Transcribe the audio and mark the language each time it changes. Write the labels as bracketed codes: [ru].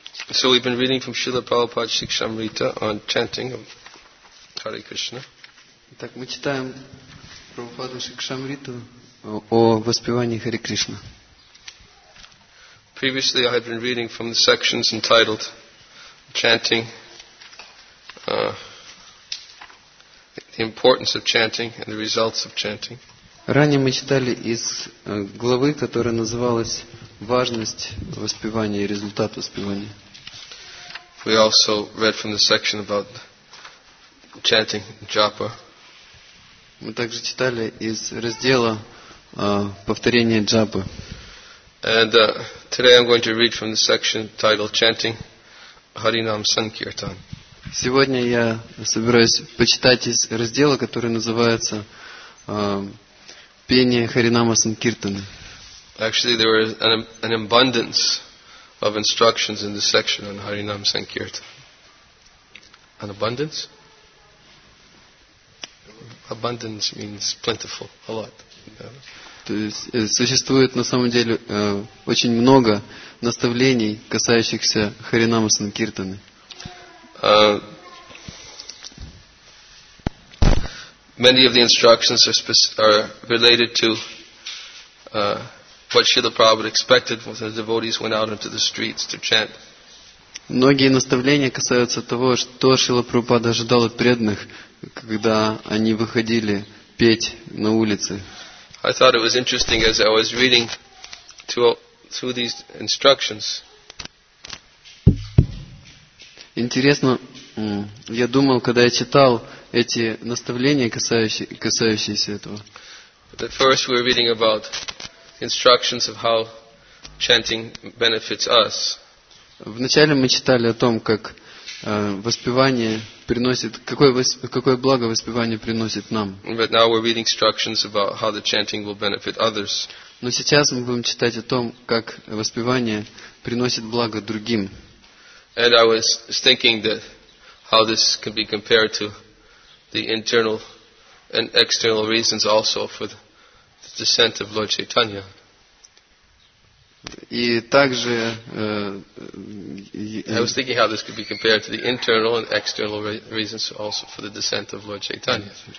[en] So we've been reading from Srila Prabhupada Shikshamrita on chanting of Hare Krishna. [ru] Так мы читаем Прабхупаду Шикшамриту о воспевании Хари Кришна. [en] Previously I had been reading from the sections entitled chanting the importance of chanting and the results of chanting. [ru] Ранее мы читали из главы, которая называлась важность воспевания и результат воспевания. [en] We also read from the section about chanting japa. [ru] Мы также читали из раздела повторение джапы. [en] And today I'm going to read from the section titled chanting Harinam Sankirtan. [ru] Сегодня я собираюсь почитать из раздела, который называется «Пение Харинама Санкиртаны». [en] Actually, there was an abundance of instructions in this section on Харинам Санкиртан. An abundance? Abundance means plentiful, a lot. [ru] То есть существует на самом деле очень много наставлений, касающихся Харинама Санкиртаны. [en] Many of the instructions are related to what Srila Prabhupada expected when the devotees went out into the streets to chant. [ru] Многие наставления касаются того, что Шрила Прабхупада ожидал от преданных, когда они выходили петь на улице. [en] I thought it was interesting as I was reading through these instructions. [ru] Интересно, я думал, когда я читал эти наставления, касающиеся этого. [en] At first we were reading about instructions of how chanting benefits us. [ru] Вначале мы читали о том, как воспевание приносит, какое благо воспевание приносит нам. [en] But now we're reading instructions about how the chanting will benefit others. [ru] Но сейчас мы будем читать о том, как воспевание приносит благо другим. [en] And I was thinking that how this can be compared to the internal and external reasons also for the descent of Lord Chaitanya. [ru] И также [en] I was thinking how this could be compared to the internal and external reasons also for the descent of Lord Chaitanya.